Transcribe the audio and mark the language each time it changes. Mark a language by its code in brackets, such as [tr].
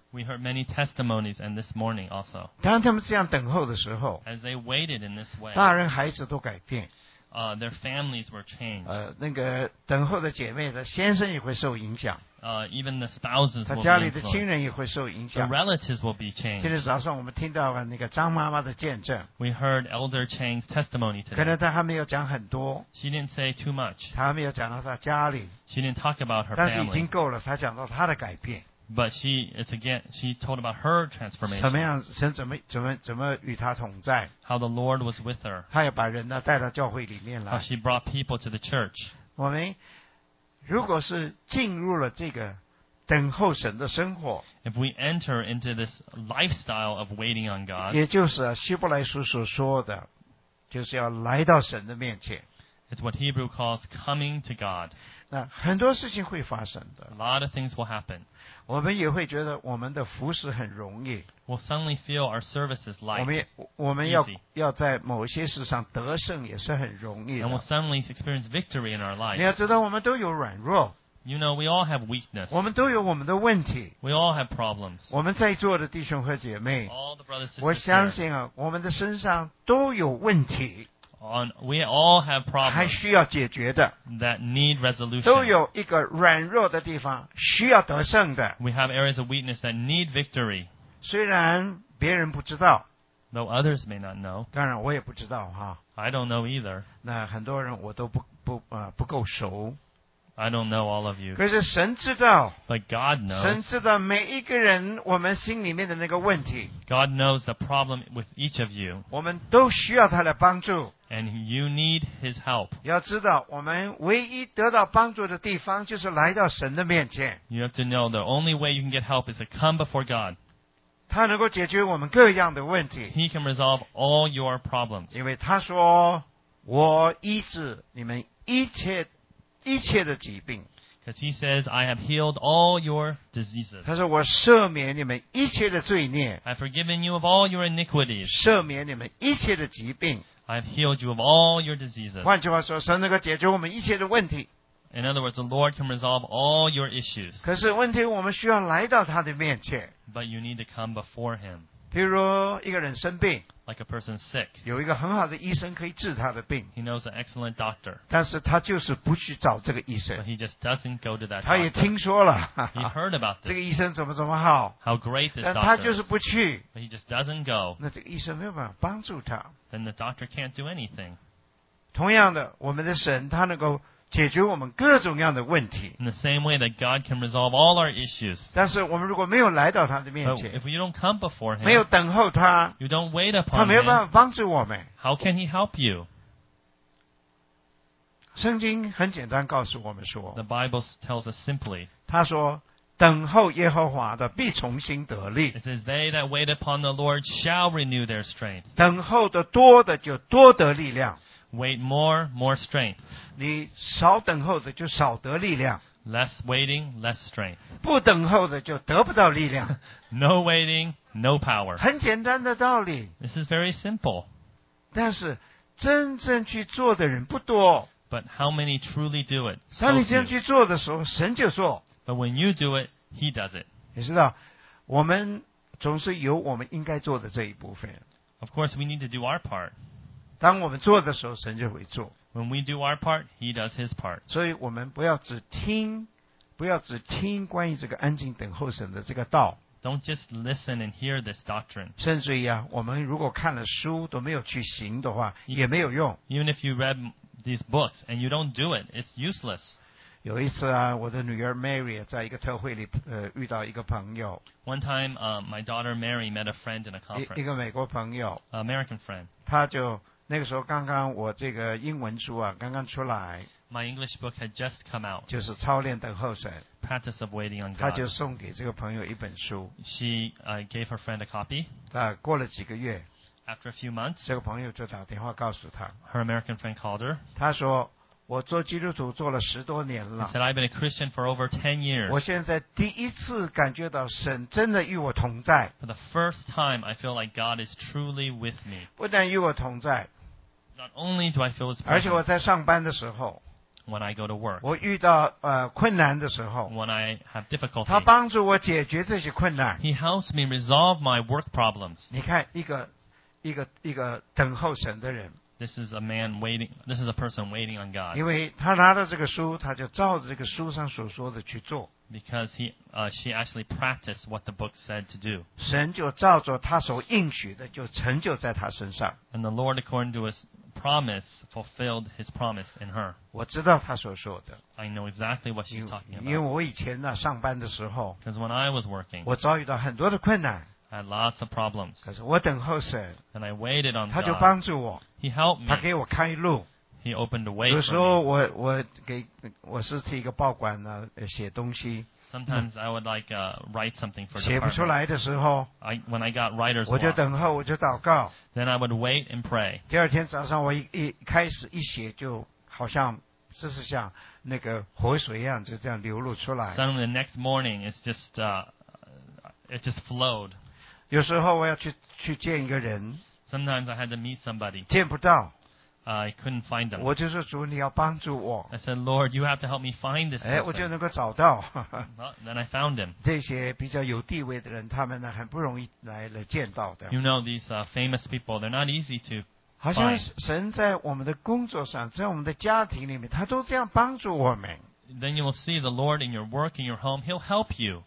[en] We heard many testimonies and this morning also [zh] 当他们这样等候的时候 [en] As they waited in this way [zh] 大人孩子都改变 [en] Their families were changed [zh] 那个等候的姐妹的先生也会受影响 [en] Even the spouses will be influenced. The relatives will be changed. [zh] 今天早上我们听到了那个张妈妈的见证。 [en] We heard Elder Chang's testimony today. [zh] 可能她还没有讲很多。 [en] She didn't say too much. [zh] 她没有讲到她家里。 [en] She didn't talk about her family. [zh] 但是已经够了，她讲到她的改变。 [en] But she told about her transformation. [zh] 怎么样？神怎么与她同在 [en] ？How the Lord was with her. [zh] 她也把人呢带到教会里面来。 [en] How she brought people to the church. [zh] 我们。如果是进入了这个等候神的生活 [en] If we enter into this lifestyle of waiting on God [zh] 也就是希伯来书所说的就是要来到神的面前 [en] It's what Hebrew calls coming to God [zh] 那很多事情会发生的 [en] A lot of things will happen [zh] 我们也会觉得我们的服事很容易 [en] We'll suddenly feel our service is light [zh] 我们 要在某些事上得胜也是很容易的 [en] And we'll suddenly experience victory in our life [zh] 你要知道我们都有软弱 [en] You know, we all have weakness [zh] 我们都有我们的问题 [en] We all have problems [zh] 我们在座的弟兄和姐妹 [en] All the brothers and sisters [zh] 我相信啊我们的身上都有问题 [en] We all have problems [zh] 还需要解决的 [en] that need resolution [zh] 都有一个软弱的地方需要得胜的 [en] We have areas of weakness that need victory [zh] 虽然别人不知道 [en] though others may not know [zh] 当然我也不知道哈 [en] I don't know either [zh] 那很多人我都不够熟 [en] I don't know all of you [zh] 可是神知道 [en] but God knows [zh] 神知道每一个人我们心里面的那个问题 [en] God knows the problem with each of you [zh] 我们都需要他来帮助 [en] and you need his help [zh] 要知道我们唯一得到帮助的地方就是来到神的面前 [en] you have to know the only way you can get help is to come before God [zh] 他能够解决我们各样的问题。 [en] He can resolve all your problems. [zh] 因为他说，我医治你们一切的疾病。 [en] Because he says, I have healed all your diseases. [zh] 他说，我赦免你们一切的罪孽。 [en] I've forgiven you of all your iniquities. [zh] 赦免你们一切的疾病。 [en] I've healed you of all your diseases. [zh] 换句话说，神能够解决我们一切的问题。 [en] In other words, the Lord can resolve all your issues. [zh] 可是问题我们需要来到他的面前。 [en] But you need to come before him. [zh] 比如一个人生病。 [en] Like a person sick. [zh] 有一个很好的医生可以治他的病。 [en] He knows an excellent doctor. [zh] 但是他就是不去找这个医生。 [en] But he just doesn't go to that doctor. [zh] 他也听说了。 [en] He heard about this. [zh] 这个医生怎么怎么好。 [en] How great this doctor. [zh] 但他就是不去。 [en] But he just doesn't go. [zh] 那这个医生没有办法帮助他。 [en] Then the doctor can't do anything. [zh] 同样的我们的神他能够解决我们各种样的问题。 [en] In the same way that God can resolve all our issues. [zh] 但是我们如果没有来到他的面前 [en] if you don't come before him, [zh] 没有等候他 [en] you don't wait upon him, [zh] 他没有办法帮助我们。 [en] How can he help you? [zh] 圣经很简单告诉我们说 [en] The Bible tells us simply, [zh] 他说等候耶和华的必重新得力。 [en] It says, they that wait upon the Lord shall renew their strength. [zh] 等候的多的就多得力量。 [en] Wait more strength. [zh] 你少等候的就少得力量。 [en] Less waiting, less strength. [zh] 不等候的就得不到力量。 [en] No waiting, no power. [zh] 很简单的道理。 [en] This is very simple. [zh] 但是真正去做的人不多。 [en] But how many truly do it? [zh] 当你这样去做的时候，神就做。 [en] But when you do it, he does it. [zh] 你知道，我们总是有我们应该做的这一部分。 [en] Of course, we need to do our part. [zh] 当我们做的时候，神就会做。 [en] When we do our part, He does His part. [zh] 所以我们不要只听关于这个安静等候神的这个道。 [en] Don't just listen and hear this doctrine. [zh] 甚至于啊，我们如果看了书都没有去行的话，也没有用。 [en] Even if you read these books and you don't do it, it's useless. [zh] 有一次啊，我的女儿 Mary 在一个特会里遇到一个朋友。 [en] One time, my daughter Mary met a friend in a conference. [zh] 一个美国朋友 [en] ，American friend. [zh] 他就那个时候刚刚我这个英文书啊刚刚出来 [en] My English book had just come out [zh] 就是操练等候神 [en] Practice of waiting on God [zh] 他就送给这个朋友一本书 [en] She、gave her friend a copy [zh] 过了几个月 [en] After a few months [zh] 这个朋友就打电话告诉他 [en] Her American friend called her [zh] 他说我做基督徒做了十多年了 [en] He said I've been a Christian for over 10 years [zh] 我现在第一次感觉到神真的与我同在 [en] For the first time I feel like God is truly with me [zh] 不但与我同在 [en] Not only do I feel his presence, [zh] 而且我在上班的时候 [en] when I go to work, [zh] 我遇到困难的时候 [en] when I have difficulty, [zh] 他帮助我解决这些困难 [en] he helps me resolve my work problems. [zh] 你看一个等候神的人 [en] this is a person waiting on God. [zh] 因为他拿到这个书他就照着这个书上所说的去做 [en] because she actually practiced what the book said to do. [zh] 神就照着他所应许的就成就在他身上 [en] and the Lord according to his promise fulfilled his promise in her. [zh] 我知道他所说的。 [en] I know exactly what she's talking about. [zh] 因为我以前呢上班的时候 [en] Because when I was working, [zh] 我遭遇到很多的困难。 [en] I had lots of problems. [zh] 可是我等候神。 [en] And I waited on God. [zh] 他就帮助我。 [en] He helped me. [zh] 他给我开路。 [en] He opened a way for me. [zh] 有时候我是替一个报馆呢写东西。 [en] Sometimes I would like write something for the [zh] 写不出来的时候 [en] when I got writer's [zh] block 我就等候我就祷告 [en] then I would wait and pray [zh] 第二天早上我 一开始写就好像这是像那个活水一样就这样流露出来 [en] suddenly the next morning it's just it just flowed [zh] 有时候我要去见一个人 [en] sometimes I had to meet somebody [zh] 见不到 [en] I couldn't find them. [zh] 我就说主你要帮助我。 [en] I said, Lord, you have to help me find this person. [zh] 我就能够找到。 [en] Then I found him. [zh] 这些比较有地位的人他们呢很不容易来见到的。 [en] You know, these famous people, they're not easy to find. [zh] 好像神在我们的工作上在我们的家庭里面他都这样帮助我们。 [en] Then you will see the Lord in your work, in your home, he'll help you.